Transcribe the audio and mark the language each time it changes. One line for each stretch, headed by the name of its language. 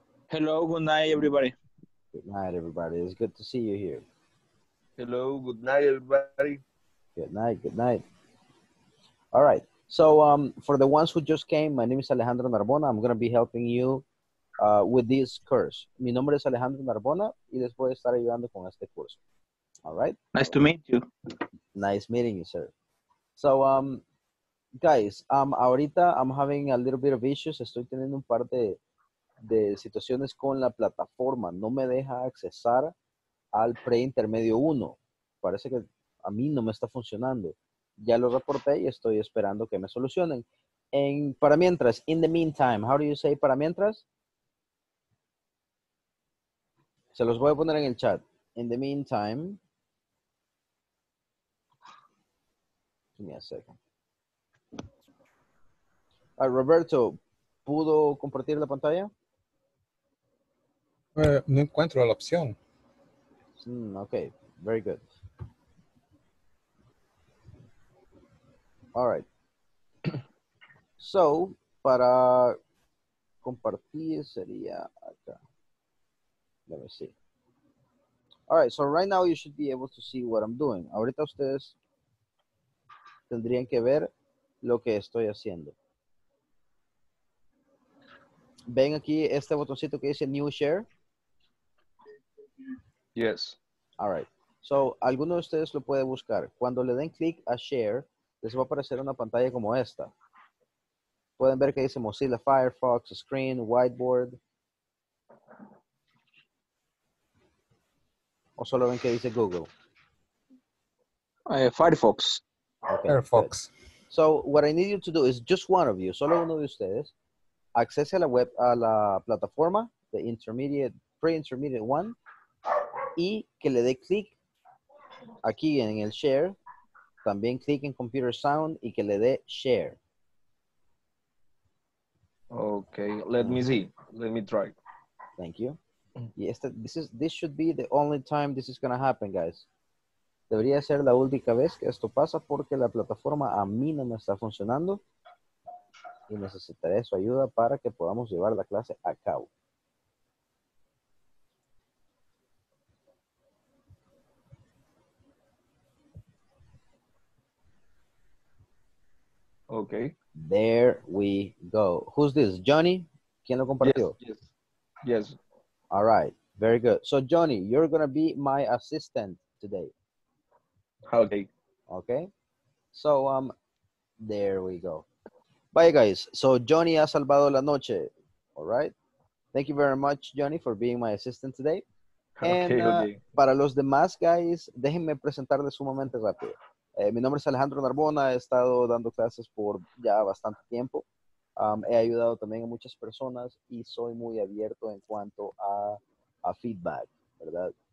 English: Hello, good night, everybody. Good night, everybody. It's good to see you here. Hello, good night, everybody. Good night, good night. All right. So, for the ones who just came, my name is Alejandro Narbona. I'm going to be helping you with this course.
Spanish: Mi nombre es Alejandro Narbona y les voy a estar ayudando con este curso.
English: All right? Nice to meet you. Nice meeting you, sir. So, guys, ahorita I'm having a little bit of issues.
Spanish: Estoy teniendo un par de situaciones con la plataforma. No me deja accesar al pre-intermedio 1. Parece que a mí no me está funcionando. Ya lo reporté y estoy esperando que me solucionen. En, para mientras,
English: in the meantime, how do you say
Spanish: para mientras? Se los voy a poner en el chat.
English: In the meantime. Give me a second.
Spanish: Roberto, ¿pudo compartir la pantalla? No encuentro la opción.
English: Ok, very good. All right. So,
Spanish: para compartir sería acá.
English: Let me see. All right, so right now you should be able to see what I'm doing.
Spanish: Ahorita ustedes tendrían que ver lo que estoy haciendo. ¿Ven aquí este botoncito que dice New Share?
English: Yes. All right. So,
Spanish: alguno de ustedes lo puede buscar. Cuando le den click a Share, les va a aparecer una pantalla como esta. Pueden ver que dice Mozilla Firefox, Screen, Whiteboard. ¿O solo ven que dice Google?
English: Firefox. Okay, Firefox. Good. So, what I need you to do is just one of you,
Spanish: solo uno de ustedes, accese a la web, a la plataforma,
English: the intermediate, pre-intermediate one,
Spanish: y que le dé clic aquí en el share, también clic en computer sound y que le dé share.
English: Okay, let me see. Let me try. Thank you. Yes, this should be the only time this is going to happen, guys.
Spanish: Debería ser la única vez que esto pasa porque la plataforma a mí no me está funcionando y necesitaré su ayuda para que podamos llevar la clase a cabo.
English: Okay. There we go. Who's this? Johnny?
Spanish: ¿Quién lo compartió?
English: Yes. All right. Very good. So, Johnny, you're going to be my assistant today. Okay. Okay. So, there we go. Bye, guys.
Spanish: So, Johnny ha salvado la noche.
English: All right. Thank you very much, Johnny, for being my assistant today. Okay.
Spanish: Para los demás, guys, déjenme presentarles sumamente rápido. Mi nombre es Alejandro Narbona, he estado dando clases por ya bastante tiempo. He ayudado también a muchas personas y soy muy abierto en cuanto a feedback, ¿verdad?